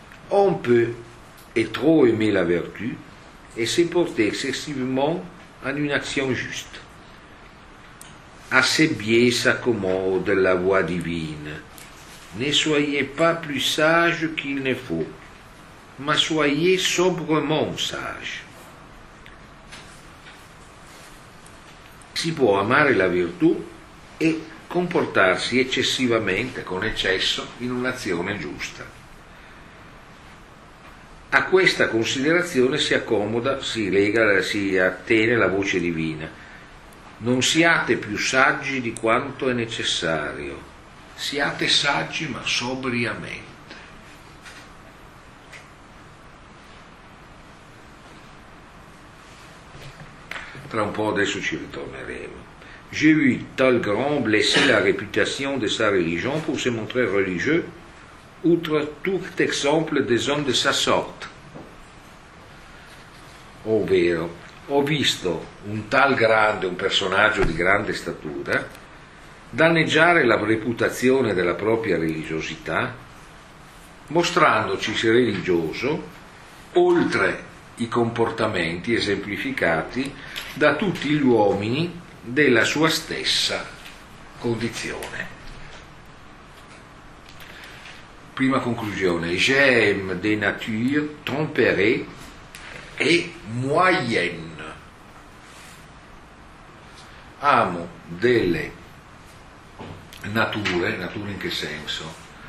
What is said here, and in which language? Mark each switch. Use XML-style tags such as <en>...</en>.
<fr>On peut et trop aimer la vertu et se porter excessivement en une action juste. Assez bien s'accommode la voie divine. Ne soyez pas plus sage qu'il ne faut, mais soyez sobrement sage.</fr> <it>Si può amare la virtù e comportarsi eccessivamente, con eccesso, in un'azione giusta. A questa considerazione si accomoda, si lega, si attene la voce divina. Non siate più saggi di quanto è necessario. Siate saggi, ma sobriamente. Tra un po' adesso ci ritorneremo.</it> <fr>J'ai vu tel grand blesser la réputation de sa religion pour se montrer religieux, outre tout exemple des hommes de sa sorte.</fr> <it>Ovvero, ho visto un tal grande, un personaggio di grande statura, danneggiare la reputazione della propria religiosità, mostrandoci religioso oltre i comportamenti esemplificati da tutti gli uomini della sua stessa condizione. Prima conclusione:</it> <fr>j'aime de nature tempérée et moyenne.</fr> <it>Amo delle nature in che senso?</it>